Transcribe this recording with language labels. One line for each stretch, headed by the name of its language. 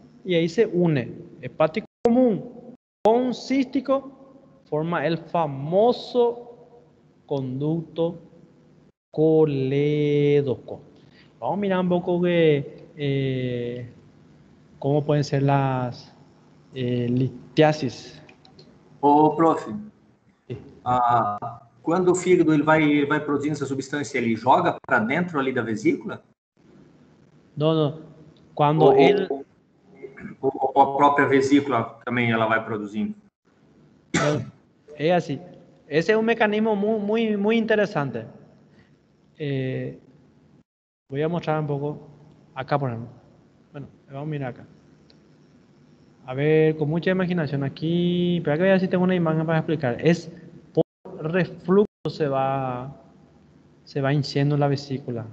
Spanish: Y ahí se une hepático común con cístico, forma el famoso conducto colédoco. Vamos a mirar un poco de cómo pueden ser las litiasis. Oh, profe. Sí.
Portuguese: Quando o fígado ele vai produzindo essa substância, ele joga para dentro ali da vesícula? Não. Quando ele a própria vesícula também ela vai produzindo. É assim. Esse é um mecanismo muito interessante.
Spanish: Voy a mostrar un poco acá, por ejemplo. Bueno, vamos a mirar acá. A ver, con mucha imaginación aquí, pero que vea si tengo una imagen para explicar. Es por reflujo se va hinchiendo la vesícula.